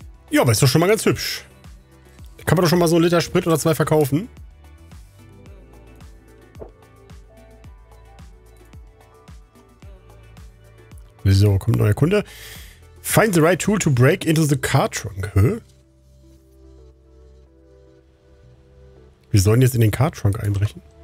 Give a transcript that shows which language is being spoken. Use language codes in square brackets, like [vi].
[de] Ja, aber ist doch schon mal ganz hübsch. Kann man doch schon mal so einen Liter Sprit oder zwei verkaufen. So, kommt ein neuer Kunde. [en] Find the right tool to break into the car trunk. Hä? [de] Wir sollen jetzt in den Car Trunk einbrechen.